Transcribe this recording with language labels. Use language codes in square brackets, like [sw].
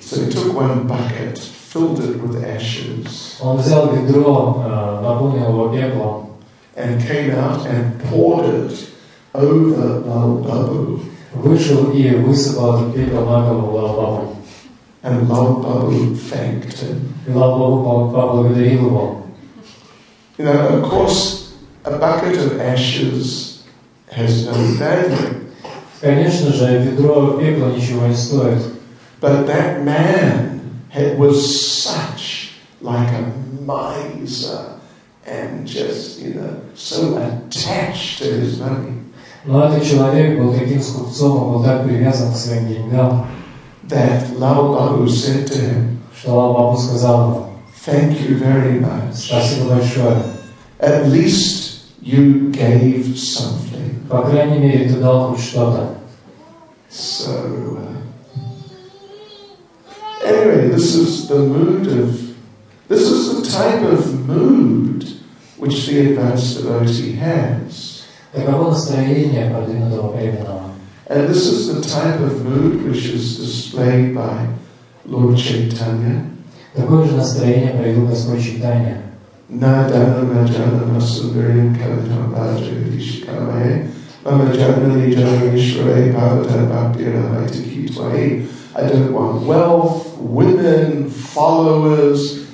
[en] So he took one bucket, filled it with ashes. [ru] Он взял ведро, наполнил его пеплом. [en] And came out and poured it over Lao Babu. [ru] Вышел и высыпал этот пепел на голову Лао Бао. [en] And Lao Babu thanked him. You know, of course, a bucket of ashes has no value. [ru] Конечно же, ведро пепла ничего не стоит. [en] But that man was such like a miser and just, you know, so attached to his money. [ru] Но этот человек был таким скупцом, он был так привязан к своим деньгам. [en] That Lao Babu said to him. [ru] Что Лао Бао сказал ему. [en] Thank you very much. [ru] Спасибо большое. [en] At least you gave something. [ru] По крайней мере, ты дал хоть что-то. [en] So, anyway, this is the type of mood which the advanced devotee has. [ru] Таково настроение продвинутого преданного. [en] And this is the type of mood which is displayed by Lord Chaitanya. [ru] Такое же настроение проявил Господь Чайтанья. [sa] Надана маджана масугарин каватам баджа дишкавай. Мама джанали джанишвай бхавата бхактирамай тихитвай. [en] I don't want wealth, women, followers.